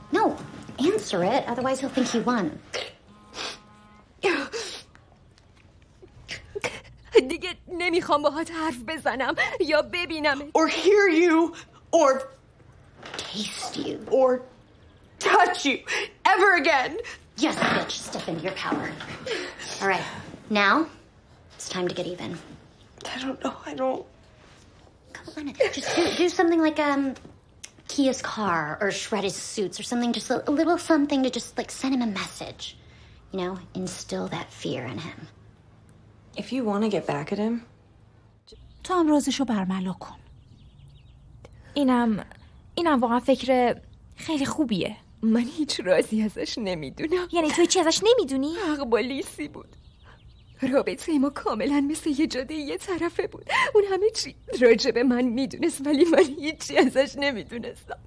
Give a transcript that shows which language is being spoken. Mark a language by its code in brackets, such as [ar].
[en] No, answer it, otherwise he'll think he won. [fa] دیگه نمی‌خوام باهات حرف بزنم یا ببینم. [en] Or hear you or taste you or touch you ever again. Yes, bitch, step into your power. All right, now it's time to get even. I don't know, I don't. Come on, just do something like key his car or shred his suits or something, just a little something to just like send him a message, you know, instill that fear in him. If you want to get back at him. [fa] تو هم روزشو برملا کن. اینم واقعا فکر خیلی خوبیه. من هیچ رازی ازش نمیدونم. یعنی توی چی ازش نمیدونی؟ حق با لیسی بود. رابطه ما کاملا مثل یه جاده یه طرفه بود. اون همه چی راجب من میدونست ولی من هیچی ازش نمیدونستم.